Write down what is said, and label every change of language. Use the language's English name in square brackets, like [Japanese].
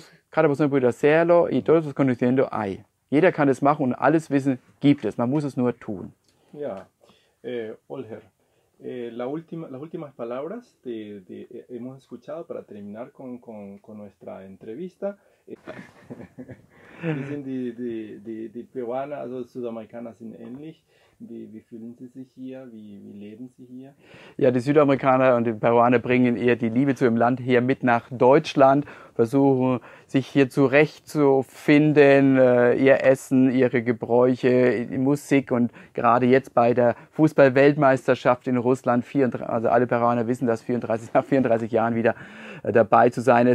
[Spanish] Cada persona puede hacerlo y todos los conocimientos hay. [German] Jeder kann es machen und alles Wissen gibt es. Man muss es nur tun. [Spanish] Ya, Olger, las últimas palabras de hemos escuchado para terminar con nuestra entrevista. [German] Wie sind die Peruaner, also Südamerikaner, sind ähnlich? Wie fühlen sie sich hier? Wie leben sie hier? Ja, die Südamerikaner und die Peruaner bringen eher die Liebe zu ihrem Land hier mit nach Deutschland, versuchen sich hier zurechtzufinden, ihr Essen, ihre Gebräuche, die Musik und gerade jetzt bei der Fußball-Weltmeisterschaft in Russland, also alle Peruaner wissen das, 34, nach 34 Jahren wieder dabei zu sein.